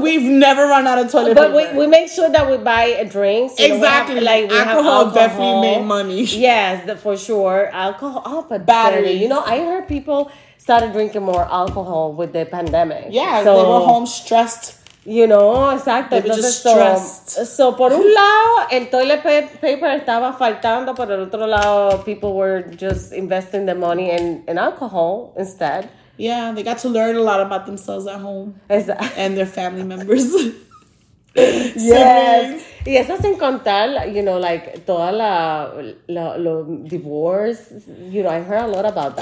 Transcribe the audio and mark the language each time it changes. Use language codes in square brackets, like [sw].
[en] we've never run out of toilet paper. But we make sure that we buy drinks. Exactly. Alcohol definitely made money. Yes, for sure. Alcohol, but battery. You know, I heard people started drinking more alcohol with the pandemic. Yeah, so, they were home stressed. You know, exactly. They were just stressed. [es] So, por un lado, el toilet paper estaba faltando. Por el otro lado, [en] people were just investing the money in alcohol instead. Yeah, they got to learn a lot about themselves at home. Exactly. And their family members. Yes. [es] Y eso sin contar, [en] you know, like, [es] toda la [en] divorce, you know, I heard a lot about that.